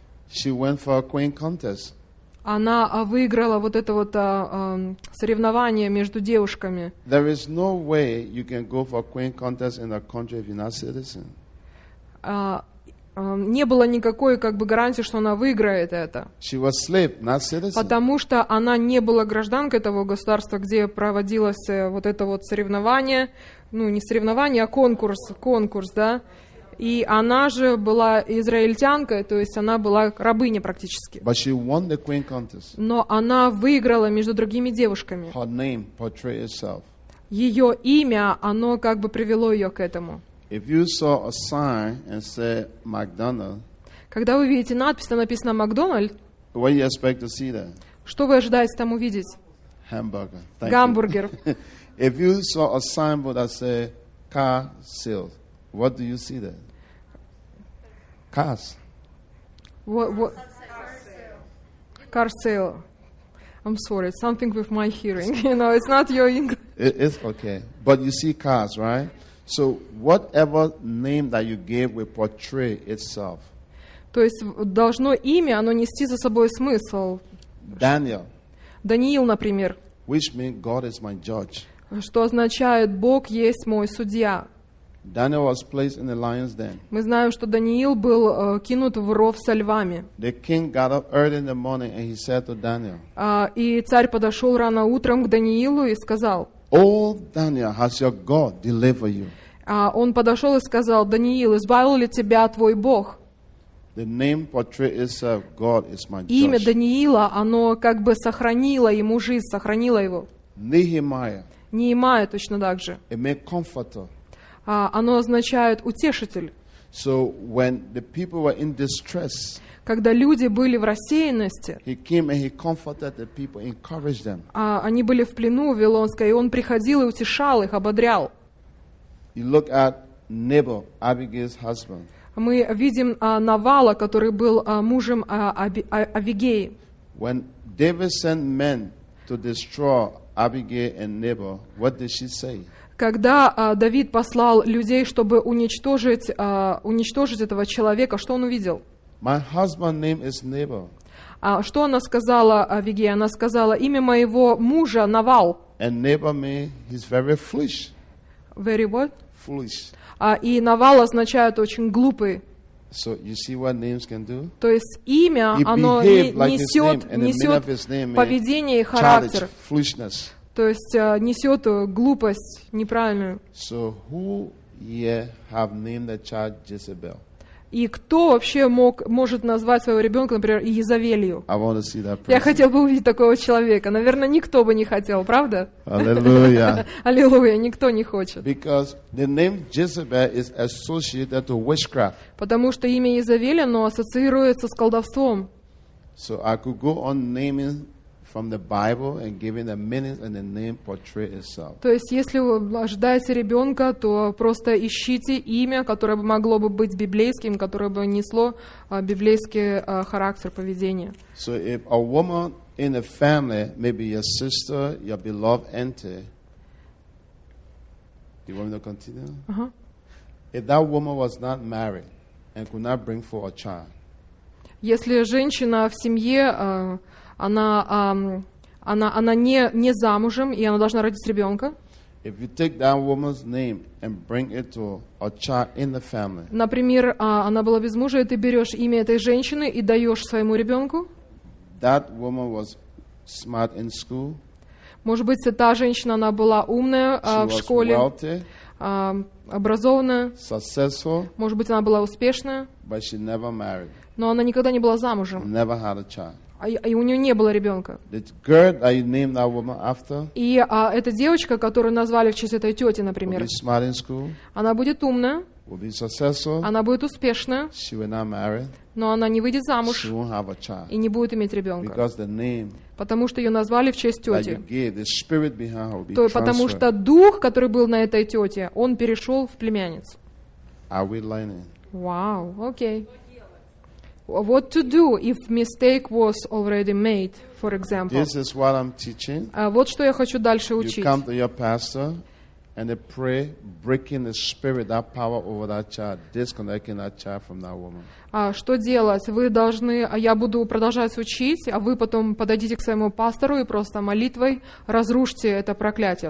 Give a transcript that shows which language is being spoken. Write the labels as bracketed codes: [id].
[en] she went for a queen contest. [ru] Она выиграла вот это вот соревнование между девушками. [en] There is no way you can go for a queen contest in a country if you're not a citizen. [ru] Не было никакой как бы гарантии, что она выиграет это. [en] She was slave, not citizen. [ru] Потому что она не была гражданкой того государства, где проводилось вот это вот соревнование. Ну, не соревнование, а конкурс, да. И она же была израильтянкой, то есть она была рабыней практически. [en] But she won the queen contest. [ru] Но она выиграла между другими девушками. [en] Her name portrayed itself. [ru] Ее имя, оно как бы привело ее к этому. [en] If you saw a sign and said McDonald's, [ru] когда вы видите надпись, там написано McDonald's, [en] what do you expect to see there? [ru] Что вы ожидаете там увидеть? [en] Hamburger. [ru] Гамбургер. [en] If you saw a signboard that said car sales, what do you see there? Cars. Car sale. I'm sorry, something with my hearing. You know, it's not your English. It's okay. But you see cars, right? So whatever name that you gave will portray itself. [ru] То есть должно имя, оно нести за собой смысл. [en] Daniel. [ru] Даниил, например. [en] Which means God is my judge. [ru] Что означает Бог есть мой судья. [en] Daniel was placed in the lion's den. [ru] Мы знаем, что Даниил был кинут в ров со львами. [en] The king got up early in the morning and he said to Daniel. [ru] И царь подошел рано утром к Даниилу и сказал. [en] Oh, Daniel, has your God delivered you? [ru] Он подошел и сказал, Даниил, избавил ли тебя твой Бог? [en] The name portrays itself, God is my judge. [ru] Имя Даниила, оно как бы сохранило ему жизнь, сохранило его. [en] Nehemiah. [ru] Неемия точно так же. [en] It meant comforter. [ru] Оно означает утешитель. [en] So when the people were in distress, [ru] когда люди были в рассеянности, [en] he came and he comforted the people, encouraged them. [ru] Они были в плену в Вавилонской, и он приходил и утешал их, ободрял. [en] You look at Nabal, Abigail's husband. [ru] Мы видим Навала, который был мужем Авигеи. [en] When David sent men to destroy Abigail and Nabal, what did she say? [ru] Когда Давид послал людей, чтобы уничтожить этого человека, что он увидел? [en] My husband's name is Nabal. [ru] Что она сказала Авигея? Она сказала, имя моего мужа Навал. [en] And Nabal means he's very foolish. Very what? Foolish. [ru] И Навал означает очень глупый. [en] So you see what names can do? [ru] То есть имя, [en] he [ru] оно несет, like несет поведение и характер. [en] Childish, foolishness. [ru] То есть несет глупость неправильную. [en] So who here have named the child Jezebel? [ru] И кто вообще может назвать своего ребенка, например, Иезавелью? [en] I want to see that person. [ru] Я хотел бы увидеть такого человека. Наверное, никто бы не хотел, правда? Аллилуйя. Аллилуйя, никто не хочет. [en] Because the name Jezebel is associated to witchcraft. [ru] Потому что имя Иезавель, оно ассоциируется с колдовством. [en] So I could go on naming from the Bible and giving the meaning and the name portray itself. [ru] То есть, если вы ожидаете ребенка, то просто ищите имя, которое могло бы быть библейским, которое бы несло библейский характер поведения. [en] So if a woman in a family, maybe your sister, your beloved auntie, do you want me to continue? Uh-huh. If that woman was not married and could not bring forth a child. [ru] Если женщина в семье она не замужем, и она должна родить ребенка. [en] If you take that woman's name and bring it to a child in the family. [ru] Например, она была без мужа, и ты берешь имя этой женщины и даешь своему ребенку. [en] That woman was smart in school. [ru] Может быть, та женщина, она была умная в школе. [en] She was wealthy. [ru] Образованная. [en] Successful. [ru] Может быть, она была успешная. [en] But she never married. [ru] Но она никогда не была замужем. [en] Never had a child. [ru] И у нее не было ребенка. [en] Girl, you named that woman after, [ru] и эта девочка, которую назвали в честь этой тети, например, [en] will be smart in school, [ru] она будет умная, [en] will be successful, [ru] она будет успешная, [en] she will not marry, [ru] но она не выйдет замуж, [en] she won't have a child, [ru] и не будет иметь ребенка. [en] Because the name, [ru] потому что ее назвали в честь тети. [en] That you gave, the spirit behind her will be transferred. [ru] То, потому что дух, который был на этой тете, он перешел в племянниц. [en] Are we learning? Wow, okay. What to do if mistake was already made, for example. This is what I'm teaching. [ru] Вот что я хочу дальше учить. [en] You come to your pastor and they pray, breaking the spirit, that power over that child, disconnecting that child from that woman. [ru] Что делать? Вы должны, я буду продолжать учить, а вы потом подойдите к своему пастору и просто молитвой разрушьте это проклятие.